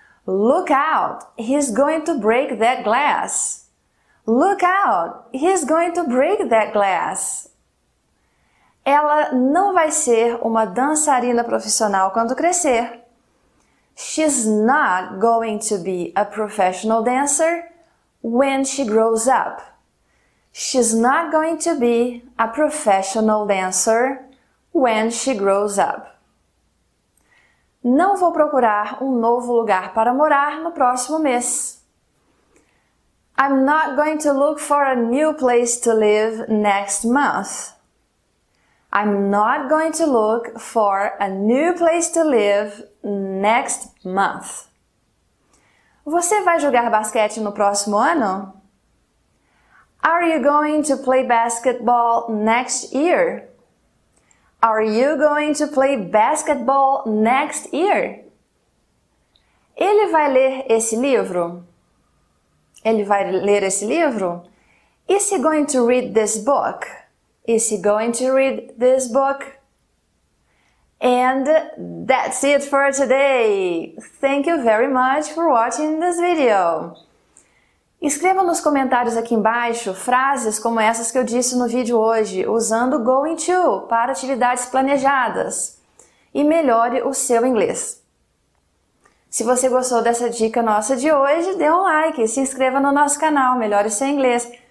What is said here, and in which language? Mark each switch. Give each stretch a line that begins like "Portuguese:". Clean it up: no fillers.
English: Look out, he's going to break that glass. Look out, he's going to break that glass.
Portuguese: Ela não vai ser uma dançarina profissional quando crescer.
English: She's not going to be a professional dancer when she grows up. She's not going to be a professional dancer when she grows up.
Portuguese: Não vou procurar um novo lugar para morar no próximo mês.
English: I'm not going to look for a new place to live next month. I'm not going to look for a new place to live next month.
Portuguese: Você vai jogar basquete no próximo ano?
English: Are you going to play basketball next year? Are you going to play basketball next year?
Portuguese: Ele vai ler esse livro? Ele vai ler esse livro?
English: Is he going to read this book? Is he going to read this book? And that's it for today. Thank you very much for watching this video.
Portuguese: Escreva nos comentários aqui embaixo frases como essas que eu disse no vídeo hoje, usando going to para atividades planejadas. E melhore o seu inglês. Se você gostou dessa dica nossa de hoje, dê um like, se inscreva no nosso canal Melhore Seu Inglês.